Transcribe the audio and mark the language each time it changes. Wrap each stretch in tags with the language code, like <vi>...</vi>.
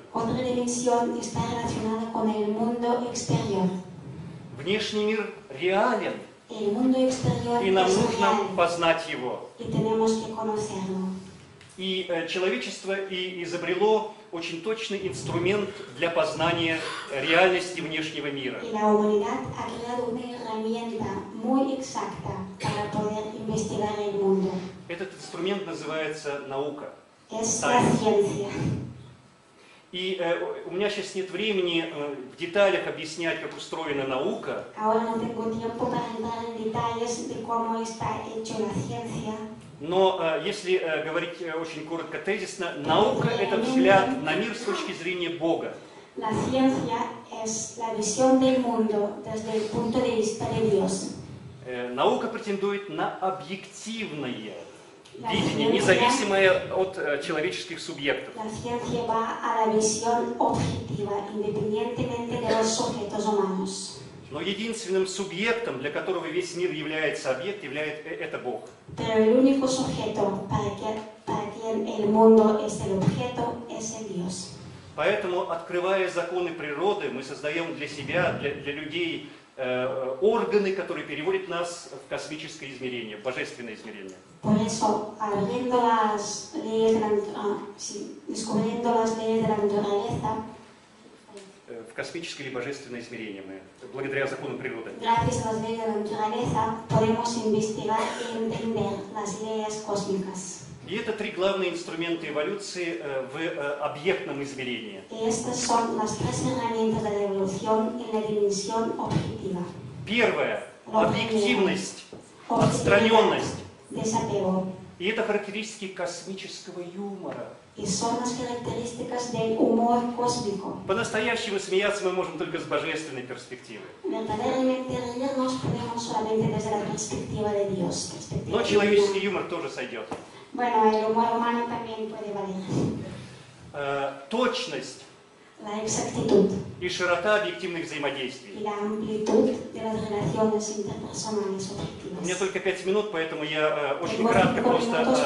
<es>Otra dimensión está relacionada con el mundo exterior.</es> <ru>Внешний мир реален.</ru> <es>El mundo exterior</es> <ru>и нам</ru> <es>es</es> <ru>нужно</ru> <es>real.</es> <ru>Познать его.</ru> <es>Y tenemos que conocerlo.</es> <ru>И человечество и изобрело очень точный инструмент для познания реальности внешнего мира.</ru> <es>Y la humanidad ha creado una herramienta muy exacta para poder investigar el mundo.</es> <ru>Этот инструмент называется наука.</ru> <es>Es la ciencia.</es> <ru>И у меня сейчас нет времени в деталях объяснять, как устроена наука.</ru> <es>Ahora no tengo tiempo para entrar en detalles de cómo está hecha la ciencia.</es> <ru>Но если говорить очень коротко, тезисно, наука – это взгляд на мир с точки зрения Бога.</ru> <es>La ciencia es la visión del mundo desde el punto de vista de Dios.</es> <ru>Наука претендует на объективное видение, независимое от человеческих субъектов.</ru> <es>La ciencia va a la visión objetiva, independientemente de los sujetos humanos.</es> <ru>Но единственным субъектом, для которого весь мир является объект, является это Бог.</ru> <es>Pero el único sujeto para quien el mundo es el objeto es el Dios.</es> <ru>Поэтому, открывая законы природы, мы создаем для себя, для людей органы, которые переводят нас в космическое измерение, в божественное измерение.</ru> <es>Por eso, abriendo las leyes de la descubriendo las leyes de la naturaleza.</es> <ru>В космическое или божественное измерение мы, благодаря законам природы.</ru> <es>Gracias a las leyes de la naturaleza podemos investigar y entender las leyes cósmicas.</es> <ru>И это три главные инструмента эволюции в объектном измерении.</ru> <es>Estas son las tres herramientas de la evolución en la dimensión objetiva.</es> <ru>Первое – объективность, отстраненность.</ru> <es>Desapego.</es> <ru>И это характеристики космического юмора.</ru> <es>И son las características del humor cósmico.</es> <ru>По-настоящему смеяться мы можем только с божественной перспективы.</ru> <es>Verdaderamente reírnos podemos solamente desde la perspectiva de Dios. Perspectiva.</es> <ru>Но человеческий юмор тоже сойдет.</ru> <es>Bueno, el humor humano también puede valer.</es> <ru>Точность.</ru> <es>La exactitud.</es> <ru>И широта объективных взаимодействий.</ru> <es>La amplitud de las relaciones interpersonales objetivas.</es> <ru>У меня только 5 минут, поэтому я очень кратко просто</ru>